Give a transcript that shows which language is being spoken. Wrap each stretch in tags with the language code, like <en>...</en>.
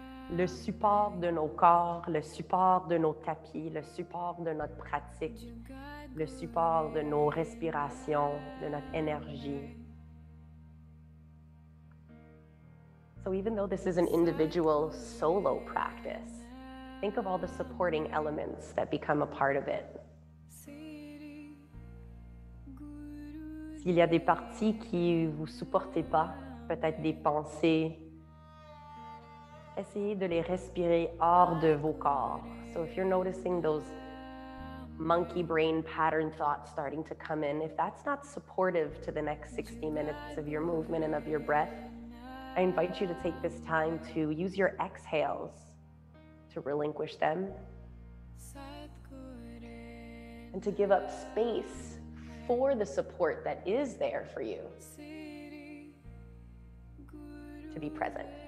<fr>Le support de nos corps, le support de nos tapis, le support de notre pratique, le support de nos respirations, de notre énergie.</fr> <en>So even though this is an individual solo practice, think of all the supporting elements that become a part of it.</en> <fr>S'il y a des parties qui vous supportez pas, peut-être des pensées, essayez de les respirer hors de vos corps.</fr> <en>So if you're noticing those monkey brain pattern thoughts starting to come in, if that's not supportive to the next 60 minutes of your movement and of your breath, I invite you to take this time to use your exhales to relinquish them and to give up space for the support that is there for you to be present.</en>